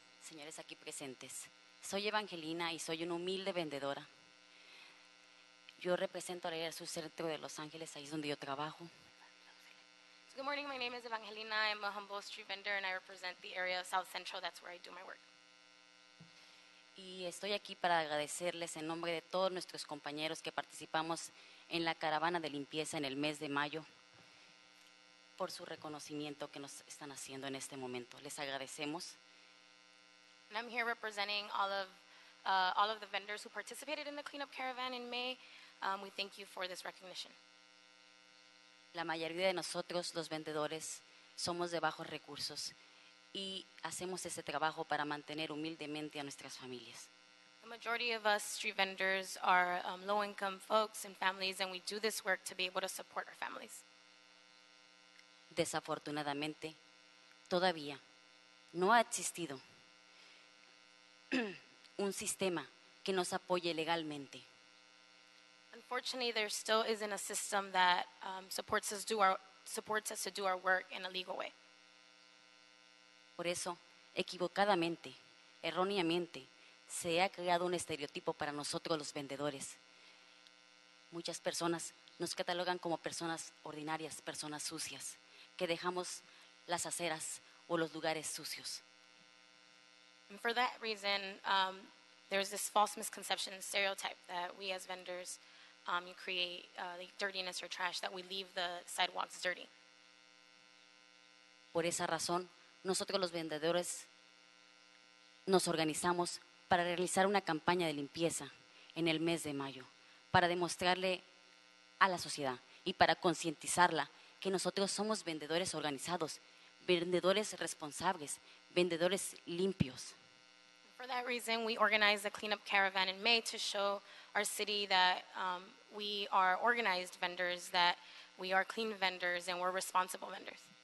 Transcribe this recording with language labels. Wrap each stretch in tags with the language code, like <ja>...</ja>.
<es>Señores aquí presentes, soy Evangelina y soy una humilde vendedora. Yo represento a la Legal Street Center de Los Ángeles, ahí es donde yo trabajo.</es> <en>Good morning, my name is Evangelina. I'm a humble street vendor and I represent the area of South Central. That's where I do my work.</en> <es>Y estoy aquí para agradecerles en nombre de todos nuestros compañeros que participamos en la caravana de limpieza en el mes de mayo por su reconocimiento que nos están haciendo en este momento. Les agradecemos.</es> <en>And I'm here representing all of the vendors who participated in the cleanup caravan in May. We thank you for this recognition.</en> <es>La mayoría de nosotros, los vendedores, somos de bajos recursos y hacemos ese trabajo para mantener humildemente a nuestras familias.</es> <en>The majority of us street vendors are low-income folks and families, and we do this work to be able to support our families.</en> <es>Desafortunadamente, todavía no ha existido un sistema que nos apoye legalmente.</es> <en>Unfortunately, there still isn't a system that supports us to do our work in a legal way.</en> <es>Por eso, equivocadamente, erróneamente, se ha creado un estereotipo para nosotros los vendedores. Muchas personas nos catalogan como personas ordinarias, personas sucias, que dejamos las aceras o los lugares sucios.</es> <en>And for that reason, there's this false misconception and stereotype that we as vendors you create like dirtiness or trash, that we leave the sidewalks dirty.</en> <es>Por esa razón, nosotros los vendedores nos organizamos para realizar una campaña de limpieza en el mes de mayo, para demostrarle a la sociedad y para concientizarla que nosotros somos vendedores organizados, vendedores responsables, vendedores limpios.</es> <en>For that reason, we organized a cleanup caravan in May to show our city that we are organized vendors, that we are clean vendors, and we're responsible vendors.</en>